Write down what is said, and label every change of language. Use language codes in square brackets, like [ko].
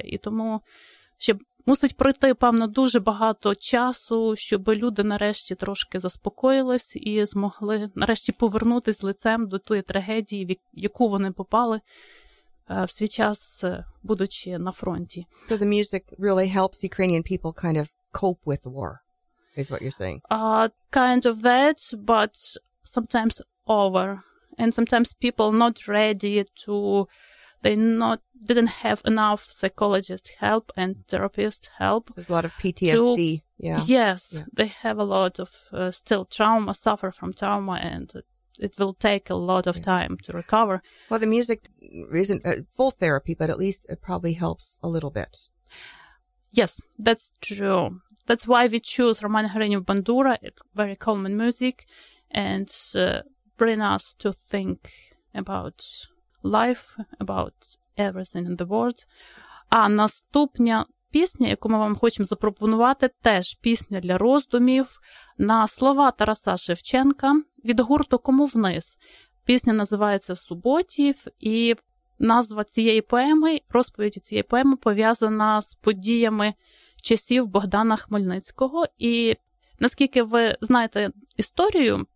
[uk] І тому ще мусить пройти, певно, дуже багато часу, щоб люди нарешті трошки заспокоїлись і змогли нарешті повернутися лицем до тої трагедії, в яку вони попали в свій час, будучи на фронті. [en] So the music really helps Ukrainian people kind of cope with war. Is what you're saying. Kind of that, but sometimes over. And sometimes people not ready to, didn't have enough psychologist help and therapist help. There's a lot of PTSD. They have a lot of still trauma, suffer from trauma, and it will take a lot of time to recover. Well, the music isn't full therapy, but at least it probably helps a little bit. Yes, that's true. That's why we choose Roman Hryniov Bandura. It's very common music and bring us to think about life, about everything in the world. [uk] А наступна пісня, яку ми вам хочемо запропонувати, теж пісня для роздумів на слова Тараса Шевченка від гурту «Кому вниз». Пісня називається «Суботів», і назва цієї поеми, розповідь цієї поеми пов'язана з подіями часів Богдана Хмельницького. І наскільки ви знаєте історію,